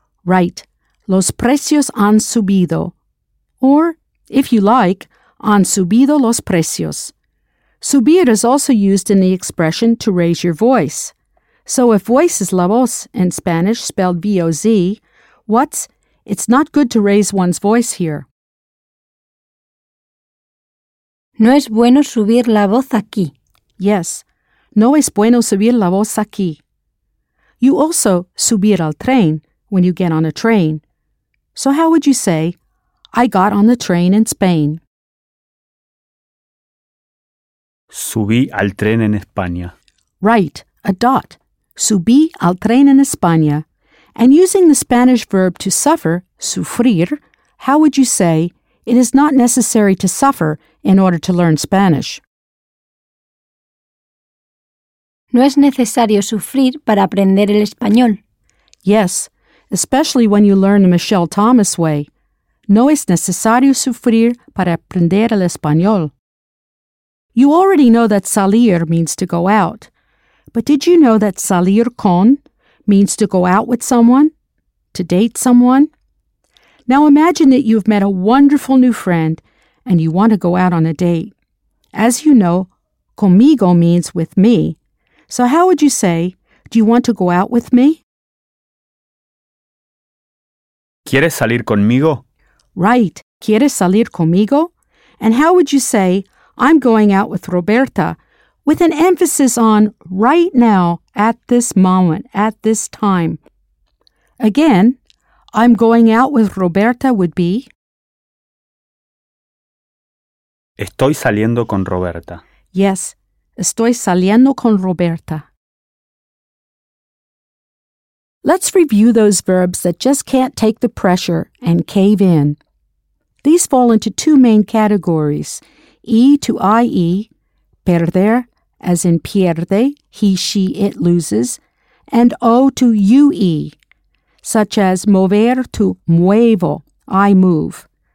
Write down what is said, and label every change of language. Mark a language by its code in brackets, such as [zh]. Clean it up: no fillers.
[en] Right. [es] Los precios han subido. [en] Or, if you like, [es] han subido los precios. [en] Subir is also used in the expression to raise your voice. So if voice is la voz in Spanish, spelled V-O-Z, what's, it's not good to raise one's voice here. [es] No es bueno subir la voz aquí. [en] Yes. [es] No es bueno subir la voz aquí. [en] You also [es] subir al tren [en] when you get on a train. So how would you say, I got on the train in Spain? [es] Subí al tren en España. [en] Right, a dot. [es] Subí al tren en España. [en] And using the Spanish verb to suffer, sufrir, how would you say, it is not necessary to suffer in order to learn Spanish? [es] No es necesario sufrir para aprender el español. [en] Yes, especially when you learn the Michelle Thomas way. [es] No es necesario sufrir para aprender el español. [en] You already know that salir means to go out. But did you know that salir con means to go out with someone? To date someone? Now imagine that you've met a wonderful new friend and you want to go out on a date. As you know, conmigo means with me. So how would you say, do you want to go out with me? [es] ¿Quieres salir conmigo? [en] Right. [es] ¿Quieres salir conmigo? [en] And how would you say, I'm going out with Roberta, with an emphasis on right now, at this moment, at this time? Again, I'm going out with Roberta would be... [es] Estoy saliendo con Roberta. [en] Yes. [es] Estoy saliendo con Roberta. [en] Let's review those verbs that just can't take the pressure and cave in. These fall into two main categories, E to IE, perder, as in pierde, he, she, it loses, and O to UE, such as mover to muevo, I move.